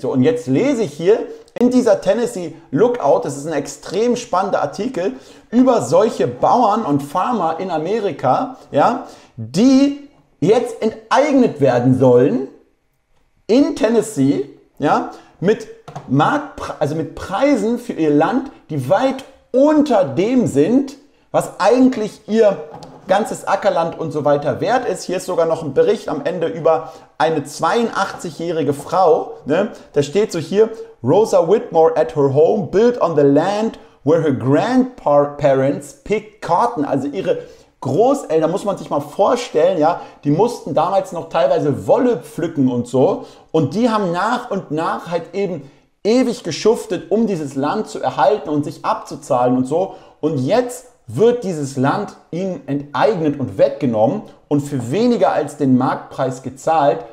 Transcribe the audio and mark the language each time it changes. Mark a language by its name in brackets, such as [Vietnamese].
[German] So, und jetzt lese ich hier in dieser Tennessee Lookout, das ist ein extrem spannender Artikel, über solche Bauern und Farmer in Amerika, ja, die jetzt enteignet werden sollen, in Tennessee, ja, mit Preisen für ihr Land, die weit unter dem sind, was eigentlich ihr ganzes Ackerland und so weiter wert ist. Hier ist sogar noch ein Bericht am Ende über eine 82-jährige Frau, ne? Da steht so hier, Rosa Whitmore [English] at her home built on the land where her grandparents picked cotton. [German] Also ihre Großeltern, muss man sich mal vorstellen, ja, die mussten damals noch teilweise Wolle pflücken und so. Und die haben nach und nach halt eben ewig geschuftet, um dieses Land zu erhalten und sich abzuzahlen und so. Und jetzt wird dieses Land ihnen enteignet und weggenommen und für weniger als den Marktpreis gezahlt.